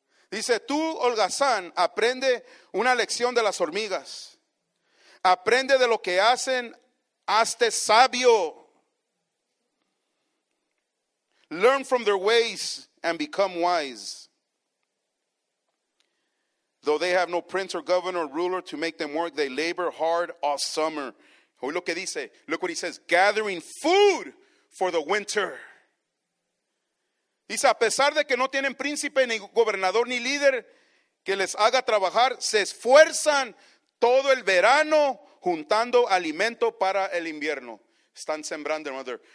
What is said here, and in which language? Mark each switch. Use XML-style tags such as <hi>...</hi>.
<es>Dice, tú, holgazán, aprende una lección de las hormigas. Aprende de lo que hacen, hazte sabio.</es> <en>Learn from their ways and become wise. Though they have no prince or governor or ruler to make them work, they labor hard all summer.</en> <es>Oye lo que dice,</es> <en>look what he says, gathering food for the winter.</en> <es>Dice, a pesar de que no tienen príncipe, ni gobernador, ni líder que les haga trabajar, se esfuerzan todo el verano juntando alimento para el invierno. Están sembrando, hermano.</es>